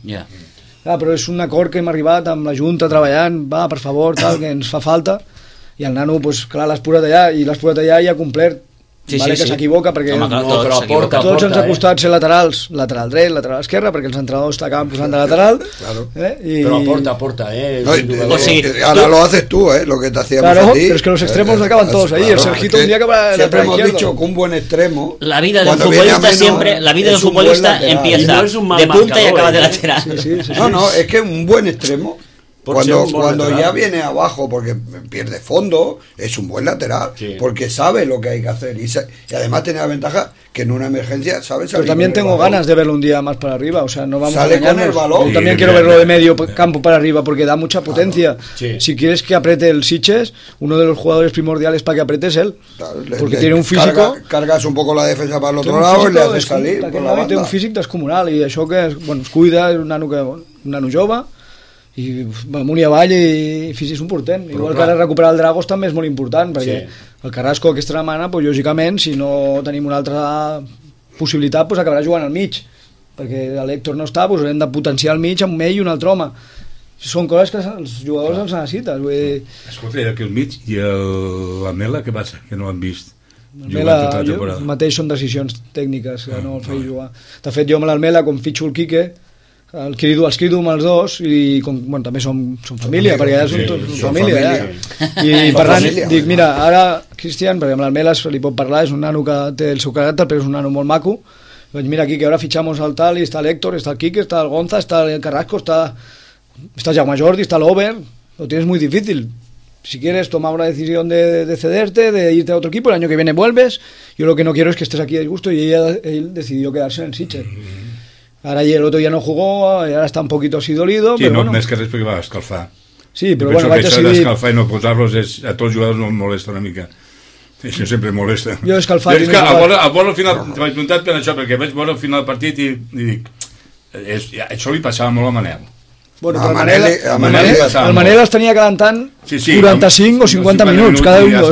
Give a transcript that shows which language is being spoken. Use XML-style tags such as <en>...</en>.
<ca>Però és un acord que hem arribat amb la Junta treballant, va, per favor, tal, que ens fa falta. I el nano, pues, clar, l'has posat allà i ha complert. Que s'equivoca, perquè tots ens ha costat ser laterals, lateral dret, lateral esquerre, perquè els entrenadors t'acaben posant de lateral. Però aporta.</ca> <es>Ara lo haces tú, lo que te hacíamos a ti.</es> <ca>Però és que</ca> <es>los extremos</es> <ca>acaben</ca> <es>todos ahí. El Sergito un día acaba de la izquierda. Siempre hemos dicho que un buen extremo... La vida del futbolista siempre, la vida del futbolista empieza de punta y acaba de lateral. No, es que un buen extremo, cuando ya viene abajo porque pierde fondo, es un buen lateral, porque sabe lo que hay que hacer y además tiene la ventaja que en una emergencia sabe salir. Pero también tengo ganas de verlo un día más para arriba, o sea, no vamos sale a engañarnos. Con el balón. Yo también quiero verlo de medio campo para arriba porque da mucha potencia. Si quieres que apriete el Sitges, uno de los jugadores primordiales para que apriete es él, porque tiene un físico. Cargas un poco la defensa para el otro lado y le haces salir. Tiene un físico descomunal y eso que es, bueno, es cuida,</es> <ca>es un nano jove. I amunt i avall i fins i és un portent. Però, igual clar, que ara recuperar el Dragos també és molt important, perquè el Carrasco aquesta setmana, pues, lògicament, si no tenim una altra possibilitat, pues, acabarà jugant al mig, perquè l'Héctor no està, pues, hem de potenciar el mig amb ell i un altre home. Són coses que els jugadors els necessiten. Escolta, i aquí el mig i la Mela, què passa? Que no l'han vist. Mela, jo mateix són decisions tècniques que no el feia jugar. De fet, jo amb l'Almela, quan fitxo el Quique, els crido amb els dos i com, bueno, també som família, sí, perquè ja som família. Ja. I per tant, dic, mira, ara Cristian, perquè amb l'Almela se li pot parlar, és un nano que té el seu caràcter, però és un nano molt maco. Vaig, mira, Quique, ara fitxamos el tal i està l'Héctor, està el Quique, està el Gonza, està el Carrasco, està Jaume Jordi, està l'Over,</ca> <es>lo tienes muy difícil. Si quieres tomar una decisión de cederte, de irte a otro equipo, el año que viene vuelves. Yo lo que no quiero es que estés aquí de disgusto, y él decidió quedarse en Sitges. Ahora el otro ya no jugó, ahora está un poquito así dolido. Sí, pero no, bueno.</es> <ca>Més que res perquè va escalfar. Sí, però bueno, vaig decidir... Això d'escalfar i no posar-los a tots els jugadors no em molesta una mica. Això sempre em molesta. Jo escalfar... És que al final, te vaig preguntar per això, perquè vaig veure al final del partit i dic... Això li passava molt a Manel. Bueno, a Manel, el Manel els tenia calentant, sí, sí, 45 o 50 minuts cada un dos.</ca>